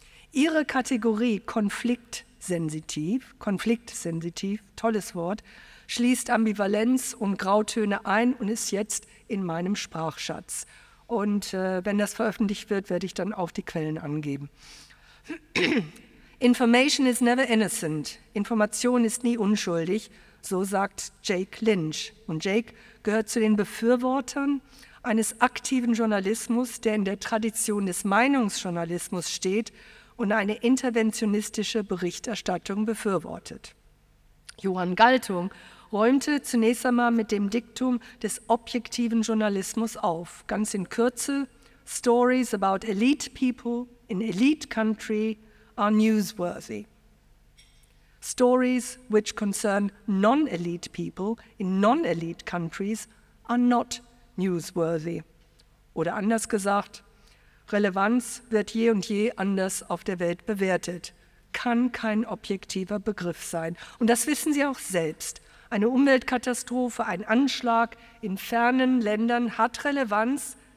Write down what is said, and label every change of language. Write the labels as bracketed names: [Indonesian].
[German] Ihre Kategorie konfliktsensitiv, tolles Wort, schließt Ambivalenz und Grautöne ein und ist jetzt in meinem Sprachschatz. Und wenn das veröffentlicht wird, werde ich dann auch die Quellen angeben. [English] Information is never innocent. [German] Information ist nie unschuldig, so sagt Jake Lynch. Und Jake gehört zu den Befürwortern eines aktiven Journalismus, der in der Tradition des Meinungsjournalismus steht und eine interventionistische Berichterstattung befürwortet. Johann Galtung räumte zunächst einmal mit dem Diktum des objektiven Journalismus auf. Ganz in Kürze: [English] Stories about elite people in elite country are newsworthy. Stories which concern non-elite people in non-elite countries are not newsworthy. [German] Oder anders gesagt, Relevanz wird je und je anders auf der Welt bewertet. Kann kein objektiver Begriff sein. Und das wissen Sie auch selbst. Eine Umweltkatastrophe, ein Anschlag in fernen Ländern hat Relevanz,